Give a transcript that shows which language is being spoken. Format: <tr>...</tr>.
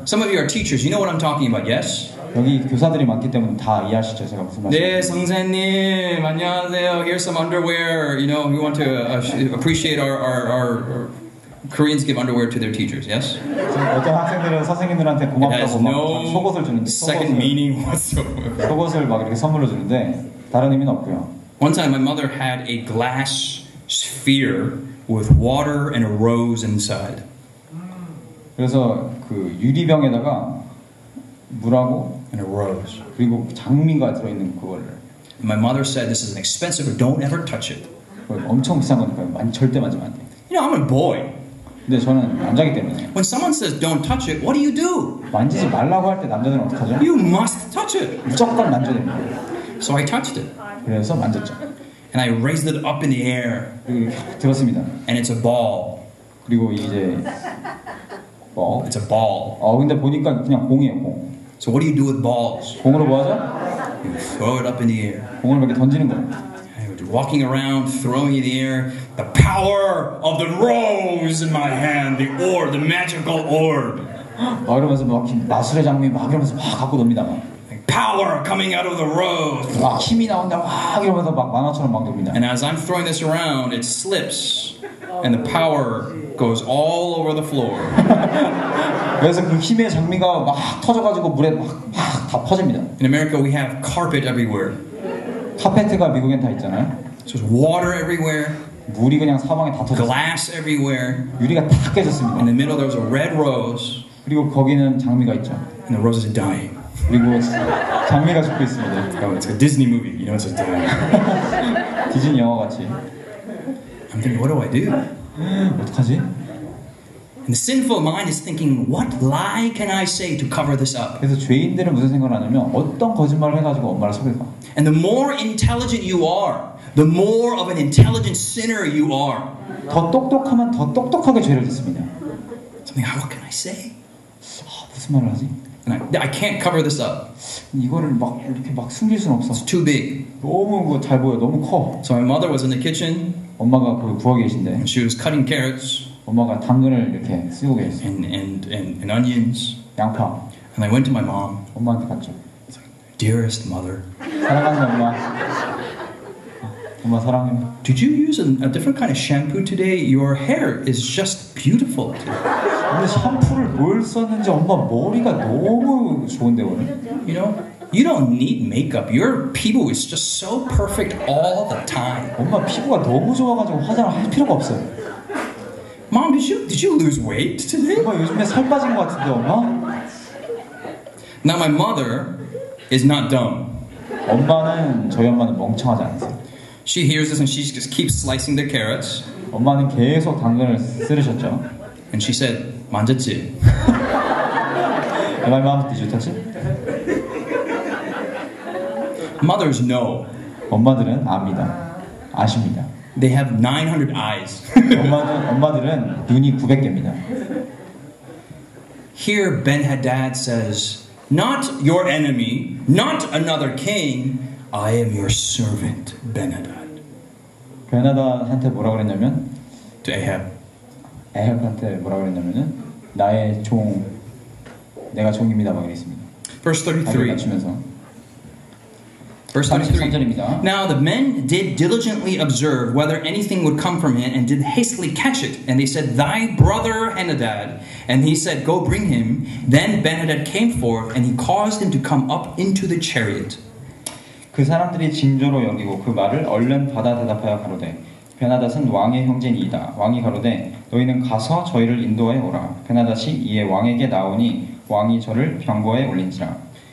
<en>Some of you are teachers. You know what I'm talking about, yes?</en> <ko>여기 교사들이 많기 때문에 다 이해하시죠, 제가 무슨 말씀. 네, 선생님, 안녕하세요.</ko> <en>Here's some underwear. You know, we want to appreciate our Koreans give underwear to their teachers, yes?</en> <ko>어떤 학생들은 선생님들한테 고맙다고 막 속옷을 주는데</ko> <en>second meaning whatsoever.</en> <ko>속옷을 막 이렇게 선물로 주는데 다른 의미는 없고요.</ko> <en>One time my mother had a glass sphere with water and a rose inside.</en> <ko>그래서 그 유리병에다가 물하고</ko> <en>and a rose.</en> <ko>그리고 장미가 들어 있는 그걸.</ko> <en>My mother said this is an expensive don't ever touch it.</en> <ko>엄청 비싼 거니까 많이 절대 만지면 안 돼.</ko> <en>You know, I'm a boy.</en> <ko>근데 저는 남자기 때문에.</ko> <en>When someone says don't touch it, what do you do?</en> <ko>만지지 말라고 할 때 남자들은 어떻게 하죠?</ko> <en>You must touch it.</en> <ko>무조건 만져야 됩니다.</ko> <en>So I touched it.</en> <ko>그래서 만졌죠.</ko> <en>And I raised it up in the air.</en> <ko>들었습니다.</ko> <en>And it's a ball.</en> <ko>그리고 이제 ball.</ko> <en>It's a ball.</en> <ko>근데 보니까 그냥 공이에요, 공.</ko> <en>So what do you do with balls?</en> <ko>공으로 뭐 하죠?</ko> <en>You throw it up in the air.</en> <ko>공을 이렇게 던지는 거.</ko> <en>Walking around, throwing in the air, the power of the rose in my hand, the orb, the magical orb.</en> <ko>막 이러면서 막 마술의 장미 막 이러면서 막 갖고 놉니다.</ko> <en>Power coming out of the rose.</en> <ko>막 힘이 나온다 막 이러면서 막 만화처럼 막 놉니다.</ko> <en>And as I'm throwing this around, it slips, and the power goes all over the floor.</en> <ko>그래서 그 힘의 장미가 막 터져가지고 물에 막 다 퍼집니다.</ko> <en>In America, we have carpet everywhere.</en> <ko>카페트가 미국엔 다 있잖아요.</ko> <en>So there's water everywhere.</en> <ko>물이 그냥 사방에 다 터져.</ko> <en>Glass everywhere.</en> <ko>유리가 다 깨졌습니다.</ko> <en>In the middle, there's a red rose.</en> <ko>그리고 거기는 장미가 있죠.</ko> <en>And the roses are dying.</en> <ko>그리고 장미가 죽고 있습니다.</ko> <en>Oh, it's a Disney movie. You know, it's a dying.</en> <ko>디즈니 영화 같이.</ko> <en>I'm thinking, what do I do?</en> <ko>어떡하지?</ko> <en>And the sinful mind is thinking, what lie can I say to cover this up?</en> <ko>그래서 죄인들은 무슨 생각을 하냐면 어떤 거짓말을 해가지고 엄마를 속일까?</ko> <en>And the more intelligent you are, the more of an intelligent sinner you are.</en> <ko>더 똑똑하면 더 똑똑하게 죄를 짓습니다.</ko> <en>Something, what can I say?</en> <ko>무슨 말을 하지?</ko> <en>And I can't cover this up.</en> <ko>이거를 막 이렇게 막 숨길 순 없어.</ko> <en>It's too big.</en> <ko>너무 그 잘 보여. 너무 커.</ko> <en>So my mother was in the kitchen.</en> <ko>엄마가 그 부엌에 계신데.</ko> <en>And she was cutting carrots.</en> <ko>엄마가 당근을 이렇게 쓰고 계셨어.</ko> <en>And onions.</en> <ko>양파.</ko> <en>And I went to my mom.</en> <ko>엄마한테 갔죠.</ko> <en>It's like, dearest mother.</en> <ko>사랑하는 엄마. 엄마 사랑해.</ko> <en>Did you use a different kind of shampoo today? Your hair is just beautiful.</en> <ko>오늘 샴푸를 뭘 썼는지 엄마 머리가 너무 좋은데 오늘.</ko> <en>You know, you don't need makeup. Your 피부 is just so perfect all the time.</en> <ko>엄마 피부가 너무 좋아가지고 화장을 할 필요가 없어요.</ko> <en>Mom, did you lose weight today?</en> <ko>엄마 요즘에 살 빠진 것 같은데 엄마.</ko> <en>Now my mother is not dumb.</en> <ko>엄마는 저희 엄마는 멍청하지 않아요.</ko> <en>She hears this and she just keeps slicing the carrots.</en> <ko>엄마는 계속 당근을 쓰르셨죠.</ko> <en>And she said,</en> <ko>만졌지?</ko> <en>Am I mom? Did you touch it? Mothers know.</en> <ko>엄마들은 압니다. 아십니다.</ko> <en>They have 900 eyes.</en> <ko>엄마들은 눈이 900개입니다.</ko> <en>Here Ben-Hadad says, not your enemy, not another king, I am your servant, Ben-Hadad.</en> <ko>Ben-Hadad한테 뭐라 그랬냐면?</ko> <en>To Ahab.</en> <ko>Ahab한테 뭐라 그랬냐면은 나의 종, 내가 종입니다, 막 이랬습니다.</ko> <en>Verse 33.</en> <ko>낮추면서.</ko> <en>Verse 33. Now the men did diligently observe whether anything would come from him, and did hastily catch it. And they said, "Thy brother Ben-Hadad." And he said, "Go bring him." Then Ben-Hadad came forth, and he caused him to come up into the chariot.</en> <ko>그 사람들이 진조로 여기고 그 말을 얼른 받아 대답하여 가로되 베나닷은 왕의 형제니이다. 왕이 가로되 너희는 가서 저희를 인도하여 오라. 베나닷이 이에 왕에게 나오니 왕이 저를 병거에 올린지라.</ko>